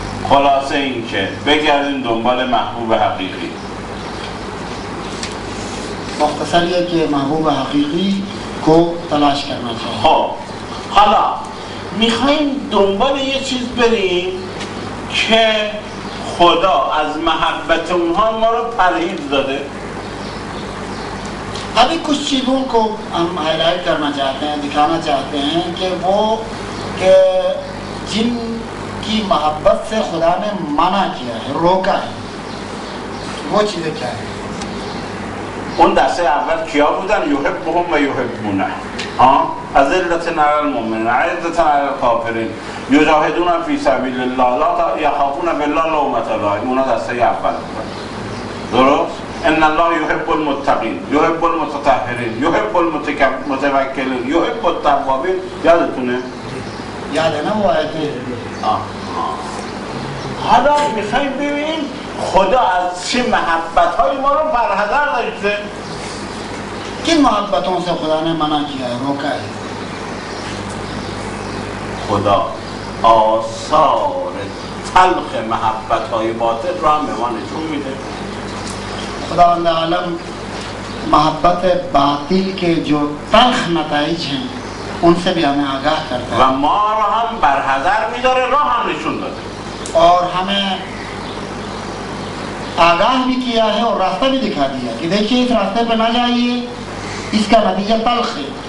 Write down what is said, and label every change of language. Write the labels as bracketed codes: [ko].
[fa] خلاصه این که بگردیم دنبال محبوب حقیقی [ur] مختصر یہ کہ محبوب حقیقی کو تلاش کرنا چاہیے [fa] خب حالا میخواییم دنبال یه چیز بریم که خدا از محبت اونها ما رو پرهیز داده [ur] ابھی کچھ چیزوں کو ہم ہائلائٹ کرنا چاہتے ہیں دکھانا چاہتے ہیں کہ وہ کہ جن کی محبت سے خدا نے منع کیا ہے روکا ہے وہ چیزیں کیا ہیں [fa] اون دسته اول کیا بودن؟ [ar] یحبهم و یحبونه از ذلتن علی المؤمنین، عزتن علی الکافرین یجاهدون فی سبیل الله، لا یخافون بالله لومت الظالمین [fa] اونا دسته اول بودن درست؟ [ar] ان الله یحب المتقین، یحب المتطهرین، یحب المتوکلین، یحب التوابین [fa] یادتونه؟ یادنه و آیتی حالا میخواییم ببینیم خدا از چه محبت های ما رو برحضر داشته [ur] کن محبتون سے خدا نے منع کیا ہے روکا ہے [fa] خدا آثار تلخ محبت های باطل رو هم به ما نشون میده [ur] خداوند عالم محبت باطل کے جو تلخ نتائج ہیں ان سے بھی ہمیں آگاہ کرتا ہے [fa] و ما رو هم برحضر میداره رو هم نشون داده [ur] اور ہمیں آگاہ بھی کیا ہے اور راستہ بھی دکھا دیا کہ دیکھیں اس راستے پر نہ جائیے اس کا نتیجہ تلخ ہے